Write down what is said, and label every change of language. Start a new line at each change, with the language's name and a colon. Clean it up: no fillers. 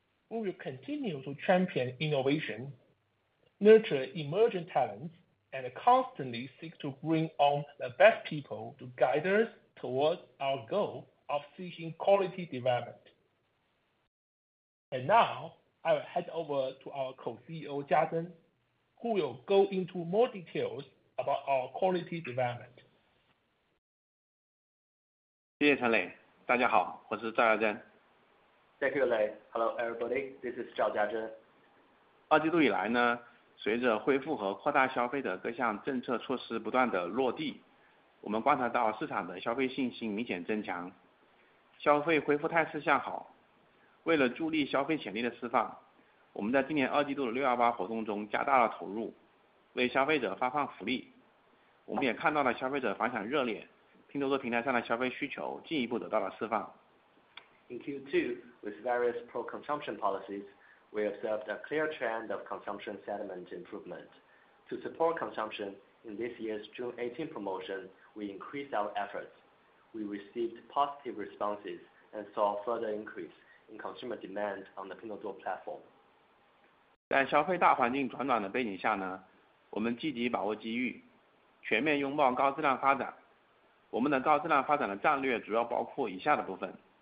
English: We will continue to champion innovation, nurture emerging talents, and constantly seek to bring on the best people to guide us towards our goal of seeking quality development. And now, I will head over to our co-CEO, Jia Zhen, who will go into more details about our quality development.
Chinese: 谢谢陈磊, 大家好, 我是赵家珍。
English: Thank you, Lei. Hello, everybody. This is Zhao Jiazhen.
Chinese: 二季度以来呢, 随着恢复和扩大消费的各项政策措施不断的落地, 我们观察到市场的消费信心明显增强, 消费恢复态势向好, 为了助力消费潜力的释放, 我们在今年二季度的618活动中加大了投入, 为消费者发放福利, 我们也看到了消费者反响热烈, 拼多多平台上的消费需求进一步得到了释放。
English: In Q2, with various pro-consumption policies, we observed a clear trend of consumption sentiment improvement. To support consumption, in this year's June 18 promotion, we increased our efforts. We received positive responses and saw further increase in consumer demand on the Pinduoduo platform.
Chinese: 在消费大环境转暖的背景下呢, 我们积极把握机遇, 全面拥抱高质量发展, 我们的高质量发展的战略主要包括以下的部分。